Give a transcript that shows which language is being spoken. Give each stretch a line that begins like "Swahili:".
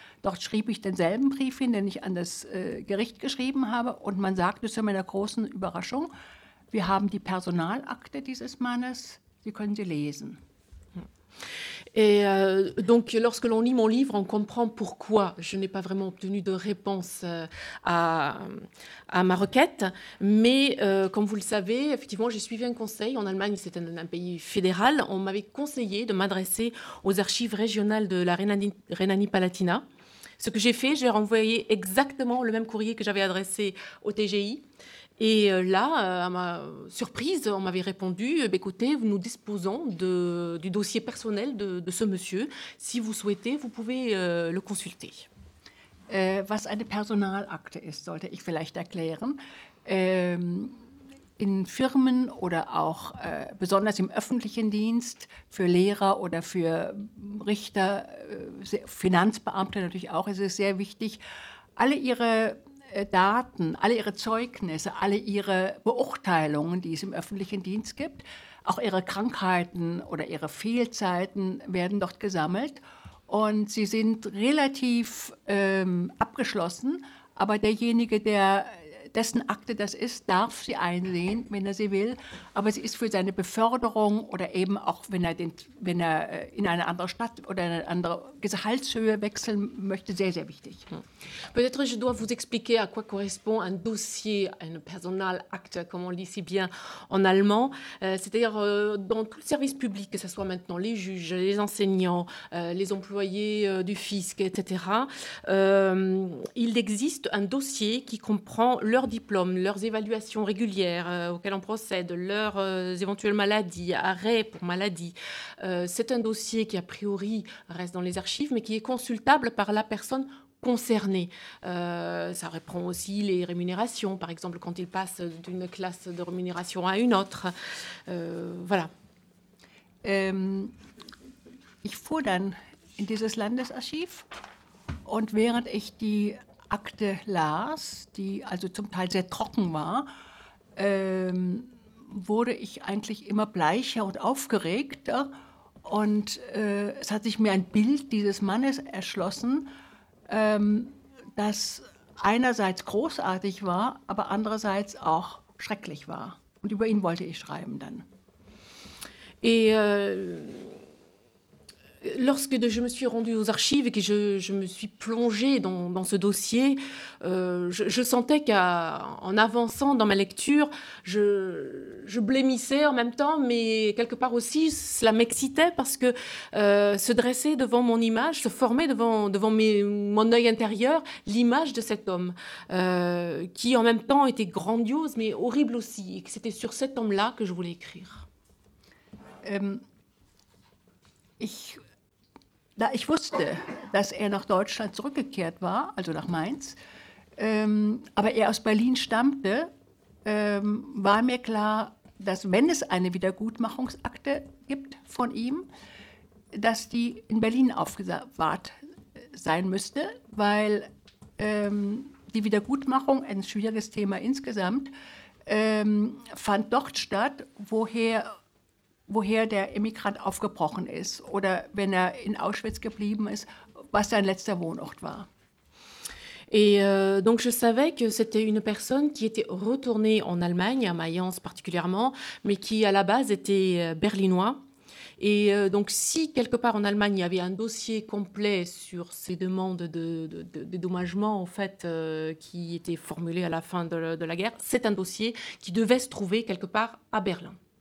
German: Dort schrieb ich denselben Brief hin, den ich an das Gericht geschrieben habe. Und man sagte zu meiner großen Überraschung, wir haben die Personalakte dieses Mannes, Sie können sie lesen.
French: Et donc, lorsque l'on lit mon livre, on comprend pourquoi je n'ai pas vraiment obtenu de réponse à ma requête. Mais comme vous le savez, effectivement, j'ai suivi un conseil. En Allemagne, c'est un pays fédéral. On m'avait conseillé de m'adresser aux archives régionales de la Rhénanie-Palatinat. Ce que j'ai fait, j'ai renvoyé exactement le même courrier que j'avais adressé au TGI. Et là, à ma surprise, on m'avait répondu, écoutez, nous disposons du dossier personnel de ce monsieur. Si vous souhaitez, vous pouvez le consulter.
German: Was eine Personalakte ist, sollte ich vielleicht erklären. In Firmen oder auch besonders im öffentlichen Dienst, für Lehrer oder für Richter, Finanzbeamte natürlich auch, ist es sehr wichtig, alle ihre Daten, alle ihre Zeugnisse, alle ihre Beurteilungen, die es im öffentlichen Dienst gibt, auch ihre Krankheiten oder ihre Fehlzeiten werden dort gesammelt. Und sie sind relativ abgeschlossen, aber derjenige, dessen Akte das ist, darf sie einsehen, wenn er sie will. Aber sie ist für seine Beförderung oder eben auch, wenn er in eine andere Stadt oder in eine andere Gehaltshöhe wechseln möchte, sehr, sehr wichtig.
French: Peut-être je dois vous expliquer à quoi correspond un dossier, un Personalakte, comme on dit si bien en allemand. C'est-à-dire, dans tout le service public, que ce soit maintenant les juges, les enseignants, les employés du fisc, etc., il existe un dossier qui comprend leurs diplômes, leurs évaluations régulières auxquelles on procède, leurs éventuelles maladies, arrêts pour maladie. C'est un dossier qui, a priori, reste dans les archives, mais qui est consultable par la personne concernée. Ça reprend aussi les rémunérations, par exemple, quand il passe d'une classe de rémunération à une autre. Voilà.
German: Ich fuhr dann in dieses Landesarchiv und während ich die Akte las, die also zum Teil sehr trocken war, wurde ich eigentlich immer bleicher und aufgeregter. Und es hat sich mir ein Bild dieses Mannes erschlossen, das einerseits großartig war, aber andererseits auch schrecklich war. Und über ihn wollte ich schreiben dann.
French: Lorsque je me suis rendue aux archives et que je me suis plongée dans ce dossier, je sentais qu'en avançant dans ma lecture, je blêmissais en même temps, mais quelque part aussi, cela m'excitait parce que se dressait devant mon image, se formait devant mon œil intérieur, l'image de cet homme, qui en même temps était grandiose, mais horrible aussi, et que c'était sur cet homme-là que je voulais écrire.
German: Da ich wusste, dass er nach Deutschland zurückgekehrt war, also nach Mainz, aber er aus Berlin stammte, war mir klar, dass wenn es eine Wiedergutmachungsakte gibt von ihm, dass die in Berlin aufbewahrt sein müsste, weil die Wiedergutmachung, ein schwieriges Thema insgesamt, fand dort statt, woher der Emigrant aufgebrochen ist oder wenn er in Auschwitz geblieben ist, was sein letzter Wohnort war.
French: Et donc je savais que c'était une personne qui était retournée en Allemagne, à Mayence particulièrement, mais qui à la base était berlinois. Et donc si quelque part en Allemagne il y avait un dossier complet sur ces demandes de dédommagement en fait qui étaient formulées à la fin de la guerre, c'est un dossier qui devait se trouver quelque part à Berlin.